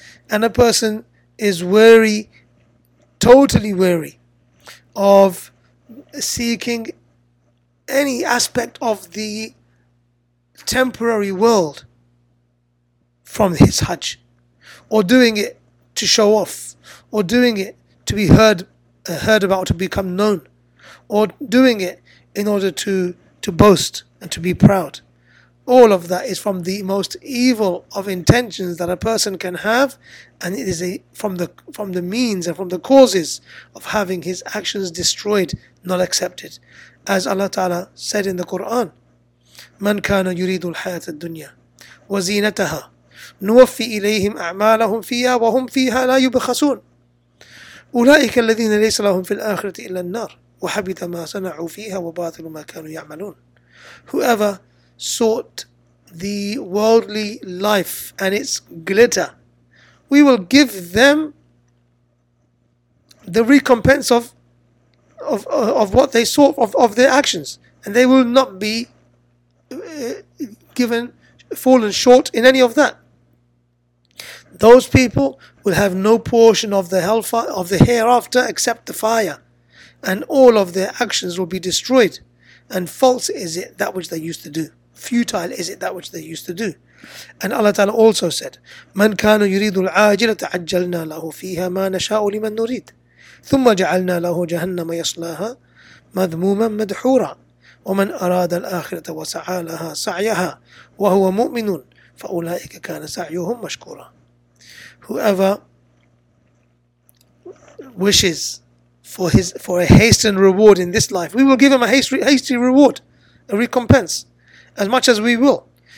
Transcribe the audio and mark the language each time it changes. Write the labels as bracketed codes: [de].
[en] And a person is weary, totally weary, of seeking any aspect of the temporary world from his Hajj, or doing it to show off, or doing it to be heard about, to become known, or doing it in order to boast and to be proud. All of that is from the most evil of intentions that a person can have, and it is from the means and from the causes of having his actions destroyed, not accepted. As Allah Ta'ala said in the Quran, [ar] مَنْ كَانَ يُرِيدُ الْحَيَاةَ الدُّنْيَا وَزِينَتَهَا نُوَفِّي إِلَيْهِمْ أَعْمَالَهُمْ فِيهَا وَهُمْ فِيهَا لَا يُبْخَسُونَ أُولَٰئِكَ الَّذِينَ لَيْسَ لَهُمْ فِي الْآخِرَةِ إِلَّا النَّارِ وَحَبِطَ مَا صَنَعُوا فِيهَا وَبَاطِلُ مَا كَانُوا يَعْمَلُونَ. [en] Whoever sought the worldly life and its glitter, we will give them the recompense of what they sought of their actions, and they will not be fallen short in any of that. Those people will have no portion of the hellfire of the hereafter except the fire, and all of their actions will be destroyed. And false is it that which they used to do. Futile is it that which they used to do. And Allah Ta'ala also said, [ar] مَنْ كَانُ يُرِيدُ الْعَاجِلَةَ عَجَّلْنَا لَهُ فِيهَا مَا نَشَاءُ لِمَنْ نُرِيدُ ثُمَّ جَعَلْنَا لَهُ جَهَنَّمَ يَصْلَاهَا مَذْمُومًا مَدْحُورًا وَمَنْ أَرَادَ الْآخِرَةَ وَسَعَى لَهَا سَعْيَهَا وَهُوَ مُؤْمِنٌ فَأُولَٰئِكَ كَانَ سَعْيُهُمْ مَشْكُورًا. [en] Whoever wishes for a hastened reward in this life, we will give him a hasty reward, a recompense, as much as we will.